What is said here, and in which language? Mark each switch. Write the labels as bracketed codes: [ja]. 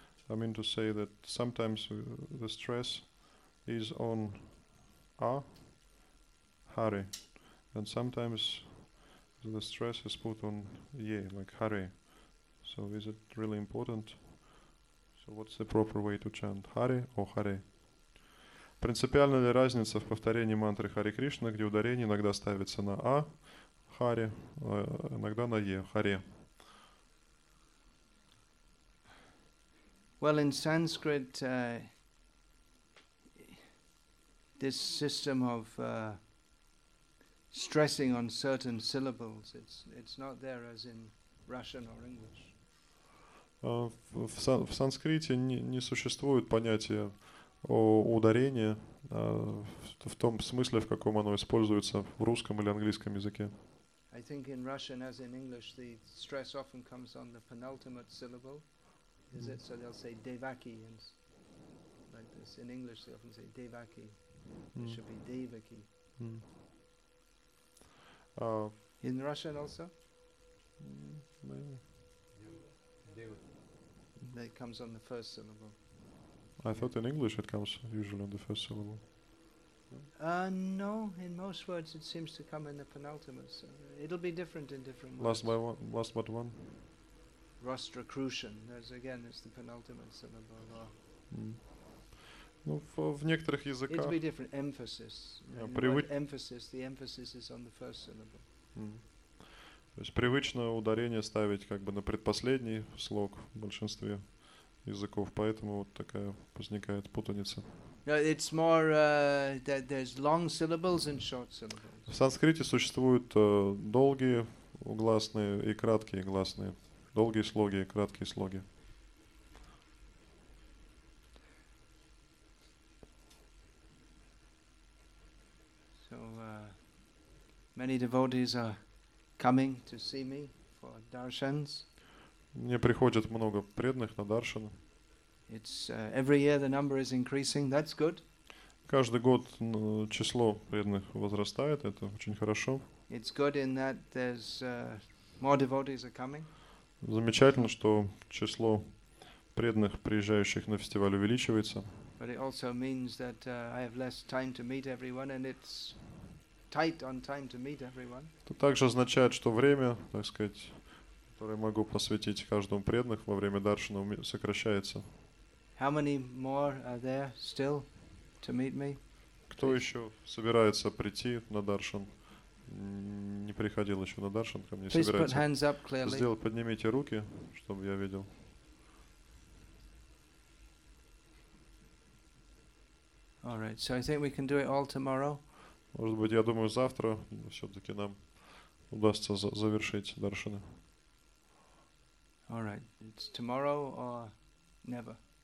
[en] I mean to say that sometimes the stress is on Hare, and sometimes the stress is put on Ye, like Hare. So is it really important? So what's the proper way to chant? Hare or Hare? [ru] Принципиальна ли разница в повторении мантры Hare Krishna, где ударение иногда ставится на А, Hare, иногда на Е, Hare? [en] Well, in Sanskrit, this system of stressing on certain syllables. It's not there as in Russian or English. [ru] В санскрите не существует понятия о ударении в том смысле, в каком оно используется в русском или английском языке. [en] I think in Russian, as in English, the stress often comes on the penultimate syllable. Is it? So they'll say Devaki, and like this. In English, they often say Devaki. It should be Devaki. In Russian also? Maybe. That comes on the first syllable. I thought in English it comes usually on the first syllable. No, in most words it seems to come in the penultimate. So it'll be different in different Last but one. Rostrocution. There's again, it's the penultimate syllable. [ru] Ну, в некоторых языках. [en] It'll be different. Emphasis. Emphasis. The emphasis is on the first syllable. [ru] То есть привычно ударение ставить как бы на предпоследний слог в большинстве языков, поэтому вот такая возникает путаница. [en] No, it's more that there's long syllables and short syllables. [ru] В санскрите существуют долгие гласные и краткие гласные, долгие слоги и краткие слоги. [en] So many devotees are coming to see me for darshans. [ru] Мне приходит много преданных на даршан. [en] It's every year the number is increasing. That's good. [ru] Каждый год число преданных возрастает. Это очень хорошо. [en] It's good in that there's more devotees are coming. [ru] Замечательно, что число преданных приезжающих на фестиваль увеличивается. [en] But it also means that I have less time to meet everyone, and it's tight on time to meet everyone. [ru] Это также означает, что время, так сказать, которое могу посвятить каждому преданных во время даршана, сокращается. [en] How many more are there still to meet me? [ru] Кто еще собирается прийти на даршан? Не приходил еще на даршан, ко мне [en] Please [ru] собирается. [en] Put hands up clearly. [ru] Сделал, поднимите руки, чтобы я видел. [en] All right, so I think we can do it all tomorrow. [ru] Может быть, я думаю, завтра все-таки нам удастся завершить даршаны. [en] All right, it's tomorrow or never.